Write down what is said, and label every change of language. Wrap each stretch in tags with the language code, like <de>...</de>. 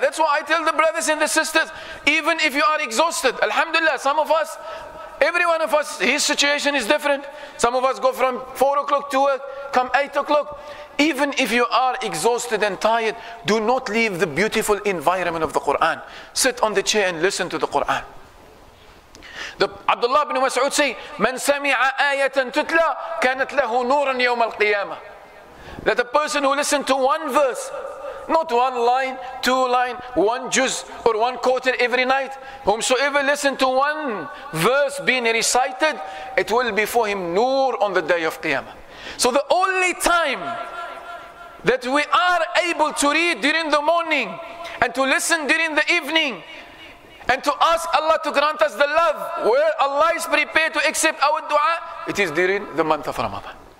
<en>That's why I tell the brothers and the sisters, even if you are exhausted, alhamdulillah, some of us, every one of us, his situation is different. Some of us go from 4 o'clock to work, come 8 o'clock. Even if you are exhausted and tired, do not leave the beautiful environment of the Quran. Sit on the chair and listen to the Quran.</en> <ar>Abdullah ibn Mas'ud say, من سمع آية تتلى كانت له نورا يوم القيامة.</ar> <en>that a person who listened to one verse, not one line, two line, one juz, or one quarter every night, whomsoever listened to one verse being recited, it will be for him nur on the day of Qiyamah. So the only time that we are able to read during the morning and to listen during the evening and to ask Allah to grant us the love where Allah is prepared to accept our dua, it is during the month of Ramadan.</en>